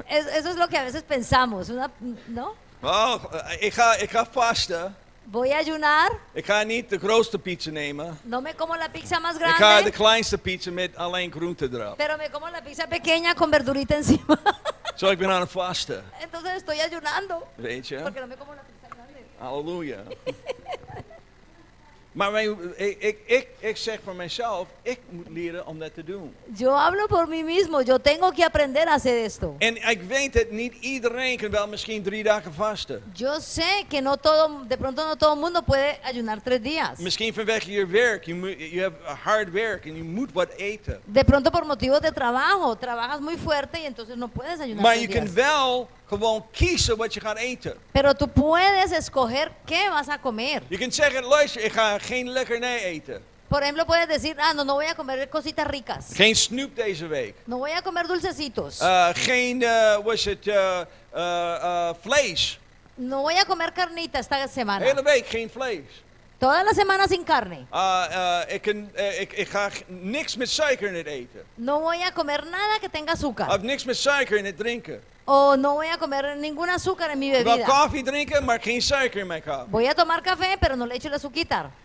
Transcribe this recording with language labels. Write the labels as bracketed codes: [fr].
[es] Eso es lo que a veces pensamos, ¿no? [nl] Oh, ik ga vasten. [es] Voy a ayunar. [nl] Ik ga niet de grootste pizza nemen. [es] No me como la pizza más grande. [nl] Ik ga de kleinste pizza met alleen groente erop. [es] Pero me como la pizza pequeña con verdurita encima. [nl] So ik ben aan het vasten. [es] Entonces estoy ayunando. [nl] Weet je? [es] Porque no me como la pizza grande. Halleluja. [nl] Maar ik zeg voor mezelf, ik moet leren om dat te doen. [es] Yo hablo por mí mismo, yo tengo que aprender a hacer esto. [nl] En ik weet dat niet iedereen kan wel misschien 3 dagen vasten. [es] Yo sé que no todo, de pronto no todo mundo puede ayunar 3 días. [nl] Misschien vanwege je werk, [en] you have a hard work and you [nl] moet wat eten. [es] De pronto por motivos de trabajo, trabajas muy fuerte y entonces no puedes ayunar 3 días. [nl] Maar je kan wel gewoon kiezen wat je gaat eten. [es] Pero tú puedes escoger qué vas a comer. [nl] Je kunt zeggen, luister, ik ga geen lekkernij eten. [es] Por ejemplo, puedes decir, ah, no voy a comer cositas ricas. [nl] Geen snoep deze week. [es] No voy a comer dulcecitos. [nl] Vlees. [es] No voy a comer carnita esta semana. [nl] Hele week geen vlees. [es] Toda la semana sin carne. [nl] Ik ga niks met suiker in het eten. [es] No voy a comer nada que tenga azúcar. [nl] Of niks met suiker in het drinken. [es] Oh, no voy a comer ningún azúcar en mi bebida. [nl] Ik wil koffie drinken, maar geen suiker in mijn kop. [es] Voy a tomar café, pero no le echo la azuquitar.